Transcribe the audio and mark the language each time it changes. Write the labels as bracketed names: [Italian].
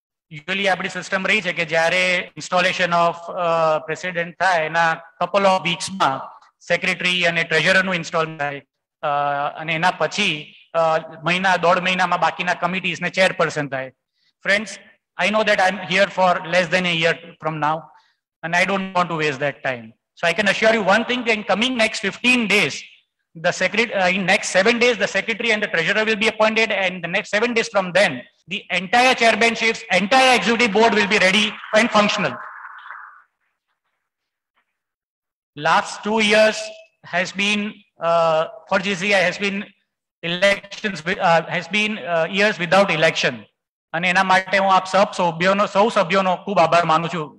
[Gujarati] Usually apni system rahi che ke jyare [English] installation of president [Gujarati] thai na [English] couple of weeks [Gujarati] ma secretary ane treasurer nu install thai, અને એના પછી મહિના 1.5 મહિનામાં બાકીના committees ને chairperson થાય. [English] Friends, I know that I am here for less than a year from now, અને I don't want to waste that time. So I can assure you one thing, in coming next 15 days the secretary, in next 7 days the secretary and the treasurer will be appointed, and the next 7 days from then the entire chairmanships, entire executive board will be ready and functional. Last 2 years has been for GCI has been elections years without election, [Gujarati] ane ena mate hu aap sab sabhyono khub abhar manu chu.